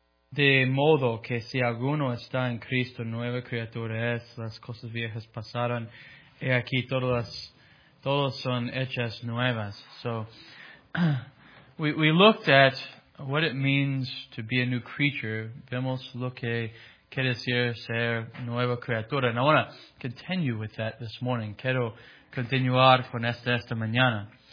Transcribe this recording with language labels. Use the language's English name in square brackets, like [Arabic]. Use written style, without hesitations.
[Spanish] De modo que si alguno está en Cristo, nueva criatura es, las cosas viejas pasaron, he aquí todas son hechas nuevas. [English] So, we looked at what it means to be a new creature. [Spanish] Vemos lo que quiere decir ser nueva criatura. [English] And I want to continue with that this morning. [Spanish] Quiero continuar con esta mañana.